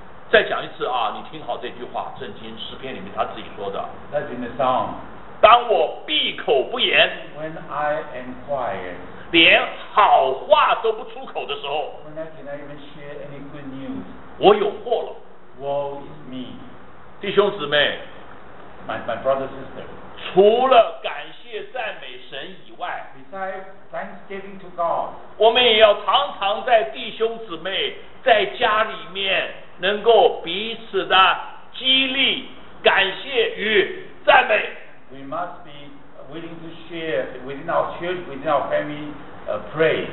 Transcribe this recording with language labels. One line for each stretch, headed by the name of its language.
Chinese: 再讲一次啊，你听好这句话，圣经诗篇里面他自己说的。
English: That's in the song.
Chinese: 当我闭口不言。
English: When I am quiet.
Chinese: 连好话都不出口的时候。
English: When I cannot even share any good news.
Chinese: 我有祸了。
English: Woe is me.
Chinese: 弟兄姊妹。
English: My brother sister.
Chinese: 除了感谢赞美神以外。
English: Besides thanksgiving to God.
Chinese: 我们也要常常在弟兄姊妹在家里面。能够彼此的激励、感谢与赞美。
English: We must be willing to share within our church, within our family, pray.